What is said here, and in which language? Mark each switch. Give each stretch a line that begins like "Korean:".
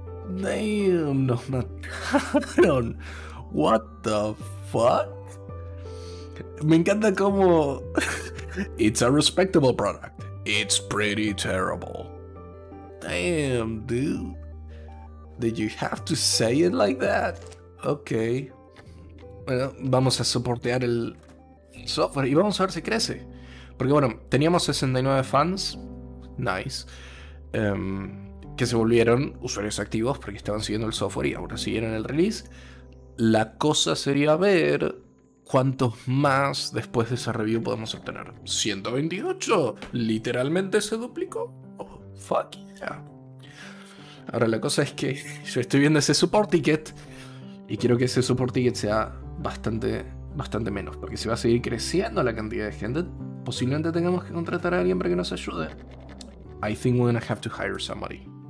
English: Damn,
Spanish: nos mataron.
English: What the fuck?
Spanish: Me encanta cómo.
English: It's a respectable product. It's pretty terrible. Damn, dude. Did you have to say it like that? Okay.
Spanish: Bueno, vamos a soportear el software y vamos a ver si crece. Porque bueno, teníamos 69 fans. Nice. Que se volvieron usuarios activos porque estaban siguiendo el software y ahora siguieron el release. La cosa sería ver cuántos más después de esa review podemos obtener. ¡128! ¿Literalmente se duplicó?
English: Oh, fuck yeah.
Spanish: Ahora la cosa es que yo estoy viendo ese support ticket y quiero que ese support ticket sea bastante, bastante menos, porque si va a seguir creciendo la cantidad de gente, posiblemente tengamos que contratar a alguien para que nos ayude.
English: I think we're gonna have to hire somebody.